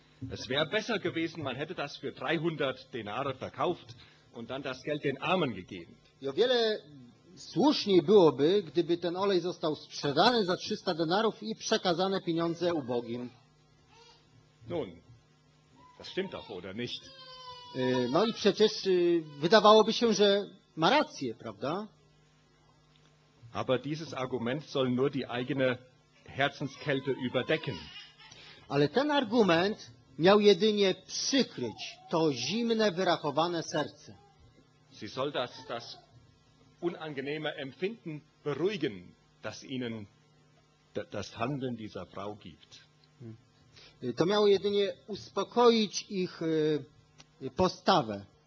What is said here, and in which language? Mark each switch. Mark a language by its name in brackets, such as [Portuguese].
[German] Es wäre besser gewesen, man hätte das für 300 Denare verkauft und dann das Geld den Armen gegeben. [Polish] I o wiele słuszniej byłoby, gdyby ten olej został sprzedany za 300 denarów i przekazane pieniądze ubogim. [German] Nun, das stimmt doch, oder nicht? [Polish] No i przecież wydawałoby się, że ma rację, prawda? [German] Aber dieses Argument soll nur die eigene Herzenskälte überdecken. [Polish] Ale ten argument miał jedynie przykryć to zimne, wyrachowane serce. [German] Sie soll das unangenehme Empfinden beruhigen, das ihnen das Handeln dieser Frau gibt. [Polish] To miało jedynie uspokoić ich postawę.